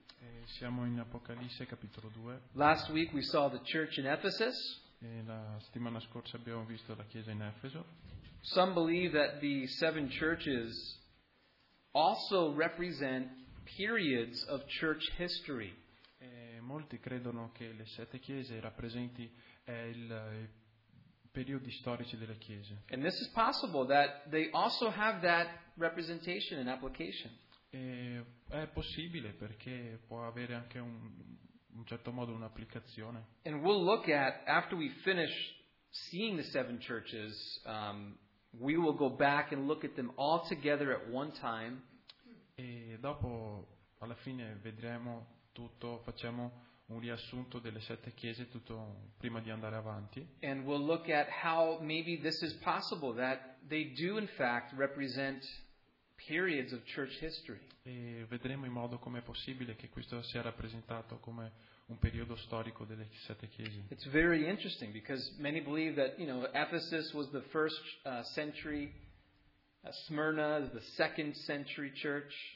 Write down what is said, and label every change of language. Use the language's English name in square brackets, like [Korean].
[Italian] E siamo in Apocalisse capitolo 2. [English] Last week we saw the church in Ephesus. [Italian] E la settimana scorsa abbiamo visto la chiesa in Efeso. [English] Some believe that the seven churches also represent periods of church history. [Italian] E molti credono che le sette chiese rappresenti il periodi storici delle chiese. [English] And this is possible that they also have that representation and application. [Italian] E è possibile perché può avere anche un certo modo un'applicazione. [English] And we'll look at, after we finish seeing the seven churches, we will go back and look at them all together at one time. [Italian] E dopo, alla fine, vedremo tutto, facciamo un riassunto delle sette chiese tutto prima di andare avanti. [English] And we'll look at how maybe this is possible, that they do in fact represent periods of church history. [Italian] E vedremo in modo come è possibile che questo sia rappresentato come un periodo storico delle sette chiese. [English] It's very interesting because many believe that, you know, Ephesus was the first century, Smyrna is the second century church.